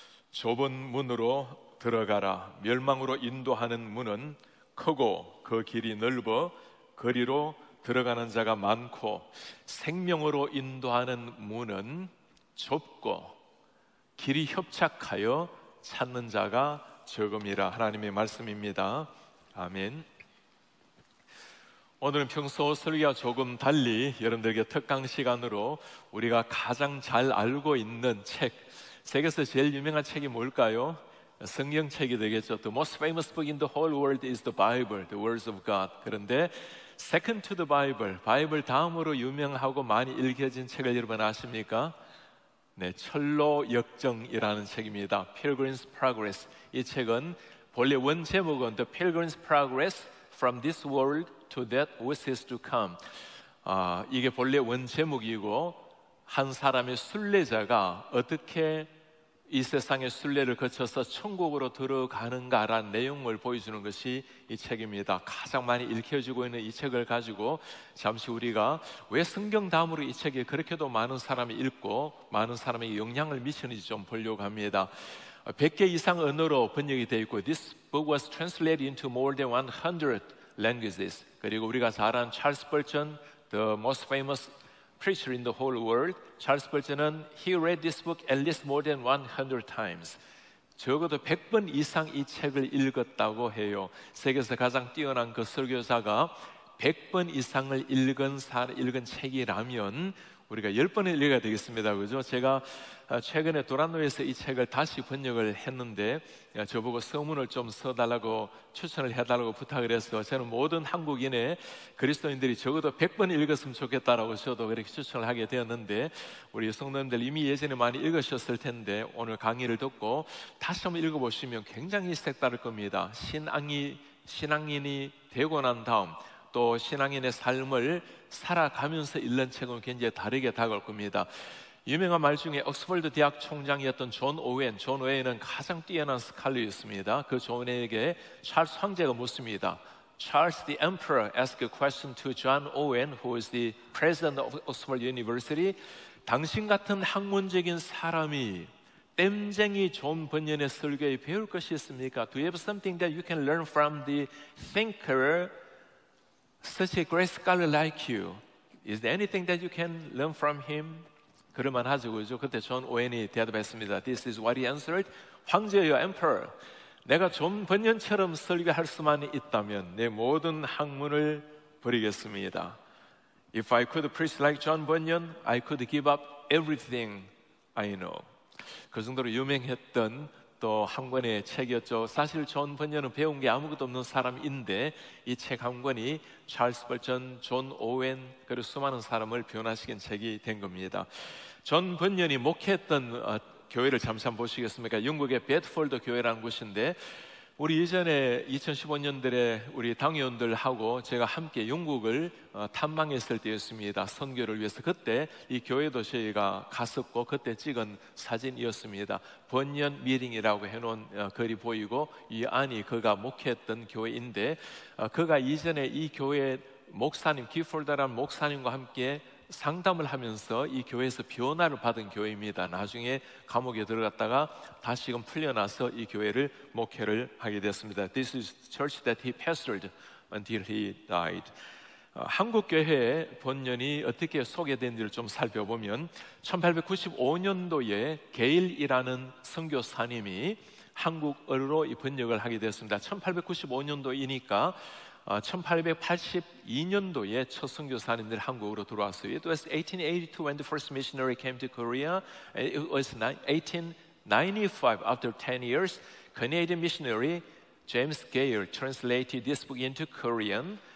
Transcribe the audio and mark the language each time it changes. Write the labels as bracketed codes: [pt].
[ko] 좁은 문으로 들어가라. 멸망으로 인도하는 문은 크고 그 길이 넓어 거리로 들어가는 자가 많고 생명으로 인도하는 문은 좁고 길이 협착하여 찾는 자가 적음이라. 하나님의 말씀입니다. 아멘. 오늘은 평소 설교와 조금 달리 여러분들에게 특강 시간으로 우리가 가장 잘 알고 있는 책, 세계에서 제일 유명한 책이 뭘까요? 성경책이 되겠죠. [en] The most famous book in the whole world is the Bible, the words of God. [ko] 그런데 [en] second to the Bible, [ko] 바이블 다음으로 유명하고 많이 읽혀진 책을 여러분 아십니까? 네, 철로 역정이라는 책입니다. [en] Pilgrim's Progress. [ko] 이 책은 본래 원 제목은 [en] The Pilgrim's Progress from this world to that which is to come. [ko] 이게 본래 원 제목이고 한 사람의 순례자가 어떻게 이 세상의 순례를 거쳐서 천국으로 들어가는가라는 내용을 보여주는 것이 이 책입니다. 가장 많이 읽혀지고 있는 이 책을 가지고 잠시 우리가 왜 성경 다음으로 이 책이 그렇게도 많은 사람이 읽고 많은 사람에게 영향을 미치는지 좀 보려고 합니다. 100개 이상 언어로 번역이 되어 있고 [en] This book was translated into more than 100 languages. [ko] 그리고 우리가 잘 아는 [en] 찰스 펄전, the most famous preacher in the whole world. 찰스 펄전은 he read this book at least more than 100 times. [ko] 적어도 100번 이상 이 책을 읽었다고 해요. 세계에서 가장 뛰어난 그 설교자가 100번 이상을 읽은 책이라면 우리가 10번을 읽어야 되겠습니다. 그죠? 제가 최근에 도란노에서 이 책을 다시 번역을 했는데 저보고 서문을 좀 써달라고 추천을 해달라고 부탁을 해서 저는 모든 한국인의 그리스도인들이 적어도 100번 읽었으면 좋겠다라고 저도 그렇게 추천을 하게 되었는데 우리 성도님들 이미 예전에 많이 읽으셨을 텐데 오늘 강의를 듣고 다시 한번 읽어보시면 굉장히 색다를 겁니다. 신앙인이 되고 난 다음 또 신앙인의 삶을 살아가면서 읽는 책은 굉장히 다르게 다가올 겁니다. 유명한 말 중에 옥스퍼드 대학 총장이었던 존 오웬은 가장 뛰어난 스칼러였습니다. 그 존에게 찰스 황제가 묻습니다. [en] Charles the Emperor asked a question to John Owen, who is the president of Oxford University. [ko] 당신 같은 학문적인 사람이 땜쟁이 존 번연의 설교에 배울 것이 있습니까? [en] Do you have something that you can learn from the thinker? Such a great scholar like you, is there anything that you can learn from him? [ko] 그럴만하죠, 그죠? 그때 존 오웬이 대답했습니다. [en] This is what he answered. [ko] 황제여, emperor, 내가 존 번연처럼 설교할 수만 있다면 내 모든 학문을 버리겠습니다. [en] If I could preach like John Bunyan, I could give up everything I know. [ko] 그 정도로 유명했던 또 한 권의 책이었죠. 사실 존 번연은 배운 게 아무것도 없는 사람인데 이 책 한 권이 찰스 펄전, 존 오웬 그리고 수많은 사람을 변화시킨 책이 된 겁니다. 존 번연이 목회했던 교회를 잠시 한번 보시겠습니까? 영국의 베드폴드 교회라는 곳인데 우리 이전에 2015년들에 우리 당회원들하고 제가 함께 영국을 탐방했을 때였습니다. 선교를 위해서 그때 이 교회도 저희가 갔었고 그때 찍은 사진이었습니다. 번연 미링이라고 해놓은 글이 보이고 이 안이 그가 목회했던 교회인데 그가 이전에 이 교회 목사님, 기폴더라는 목사님과 함께 상담을 하면서 이 교회에서 변화를 받은 교회입니다. 나중에 감옥에 들어갔다가 다시금 풀려나서 이 교회를 목회를 하게 됐습니다. [en] This is the church that he pastored until he died. [ko] 한국 교회의 번연이 어떻게 소개된지를 좀 살펴보면 1895년도에 게일이라는 선교사님이 한국어로 이 번역을 하게 됐습니다. 1895년도이니까 1882년도에 첫 선교사님들 한국으로 들어왔어요. [en] It was 1882 when the first missionary came to Korea. It was 1895 after 10 years. Canadian missionary James Gale translated this book into Korean.